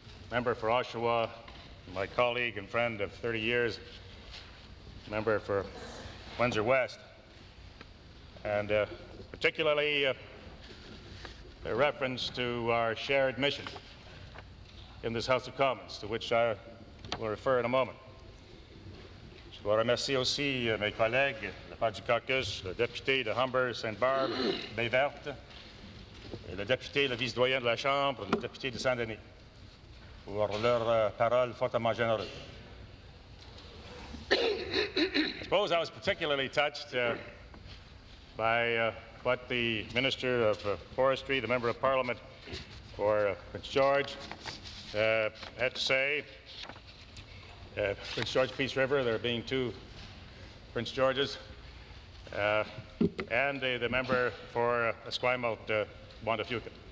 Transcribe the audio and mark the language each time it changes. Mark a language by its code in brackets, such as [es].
[en] Member for Oshawa, my colleague and friend of 30 years, Member for Windsor West, and particularly a reference to our shared mission in this House of Commons, to which I will refer in a moment. [fr] Je vous remercie aussi mes collègues, la part du caucus, le député de Humber, Sainte-Barbe, Baie-Verte, et le député, le vice-doyen de la Chambre, le député de Saint-Denis, pour leur parole fortement généreuse. [en] I suppose I was particularly touched by what the Minister of Forestry, the Member of Parliament for Prince George, had to say. Prince George Peace River, there being two Prince Georges, and the member for Esquimalt, Wanda Fuca.